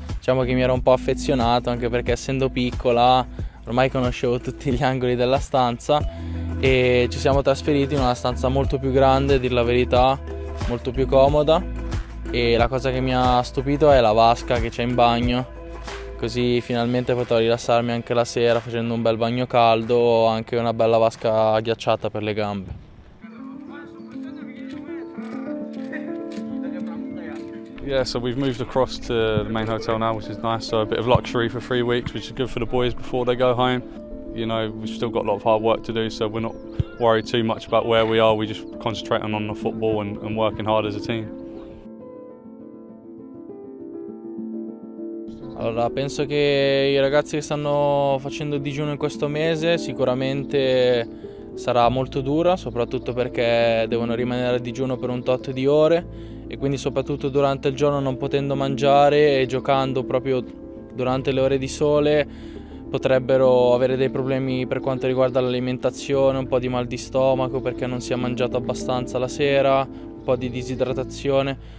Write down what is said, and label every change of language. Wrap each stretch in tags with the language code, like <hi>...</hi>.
<it>Diciamo che mi ero un po' affezionato, anche perché essendo piccola ormai conoscevo tutti gli angoli della stanza, e ci siamo trasferiti in una stanza molto più grande, a dir la verità, molto più comoda. E la cosa che mi ha stupito è la vasca che c'è in bagno, così finalmente potrò rilassarmi anche la sera facendo un bel bagno caldo o anche una bella vasca ghiacciata per le gambe.</it> <en>Yeah, so we've moved across to the main hotel now, which is nice, so a bit of luxury for 3 weeks, which is good for the boys before they go home. You know, we've still got a lot of hard work to do, so we're not worried too much about where we are, we're just concentrating on the football and working hard as a team.</en> <it>Allora, penso che i ragazzi che stanno facendo digiuno in questo mese sicuramente sarà molto dura, soprattutto perché devono rimanere a digiuno per un tot di ore e quindi soprattutto durante il giorno, non potendo mangiare e giocando proprio durante le ore di sole, potrebbero avere dei problemi per quanto riguarda l'alimentazione, un po' di mal di stomaco perché non si è mangiato abbastanza la sera, un po' di disidratazione.</it>